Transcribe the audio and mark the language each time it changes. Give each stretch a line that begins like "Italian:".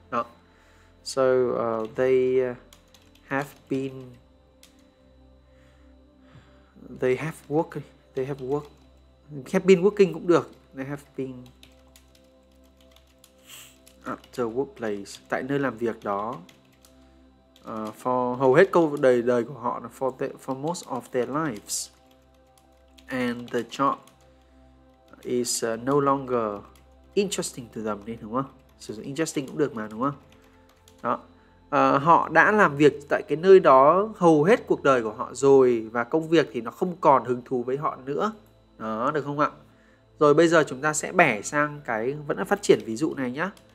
Vietnamese: Đó.
English: So they have been working
Vietnamese: cũng được.
English: They have been at the workplace,
Vietnamese: tại nơi làm việc đó.
English: For
Vietnamese: hầu hết câu đời của họ là
English: for most of their lives. And the job is no longer interesting to them,
Vietnamese: đúng không? Sử dụng interesting cũng được mà, đúng không? Đó. Họ đã làm việc tại cái nơi đó hầu hết cuộc đời của họ rồi và công việc thì nó không còn hứng thú với họ nữa. Đó, được không ạ? Rồi bây giờ chúng ta sẽ bẻ sang cái vẫn là phát triển ví dụ này nhá.